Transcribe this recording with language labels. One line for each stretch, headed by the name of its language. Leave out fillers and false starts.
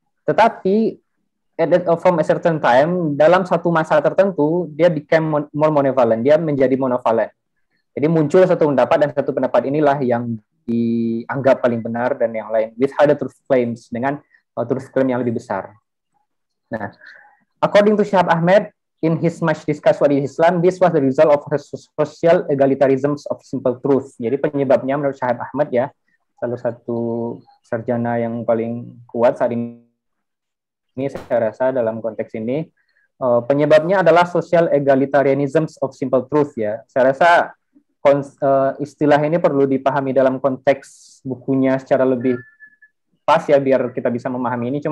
Indonesian: Tetapi
English: from a certain time,
Indonesian: dalam satu masa tertentu, dia
English: became more monovalent,
Indonesian: dia menjadi monovalent. Jadi muncul satu pendapat, dan satu pendapat inilah yang dianggap paling benar dan yang lain,
English: with higher truth claims,
Indonesian: dengan truth claim yang lebih besar. Nah,
English: according to Syahab Ahmed, in his much discussed what is Islam, this was the result of social egalitarianism of simple truth.
Indonesian: Jadi penyebabnya menurut Syahab Ahmed ya, salah satu sarjana yang paling kuat saat ini saya rasa dalam konteks ini, penyebabnya adalah social egalitarianism of simple truth ya. Saya rasa istilah ini perlu dipahami dalam konteks bukunya secara lebih pas ya, biar kita bisa memahami ini.